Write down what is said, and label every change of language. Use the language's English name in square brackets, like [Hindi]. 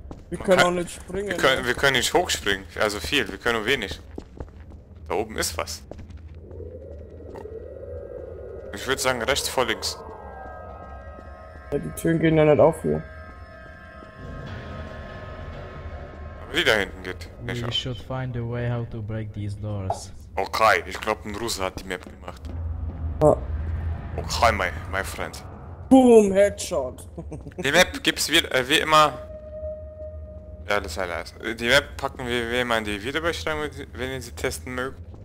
[German] Wir können auch nicht springen. Wir können nicht hochspringen. Also viel, wir können nur wenig. Da oben ist was. Ich würde sagen rechts vor links. Ja, die Türen gehen ja nicht auf hier. Wie da hinten geht. [English] We should find a way how to break these doors. [German] Okay, ich glaube ein Russe hat die Map gemacht. Ah. [English] Okay, my friend. Boom, Headshot. [German] Die Map gibt's wie immer. Ja, das ist alles. Die Map packen wir wie immer in die Videobeschreibung, wenn ihr sie testen mögt.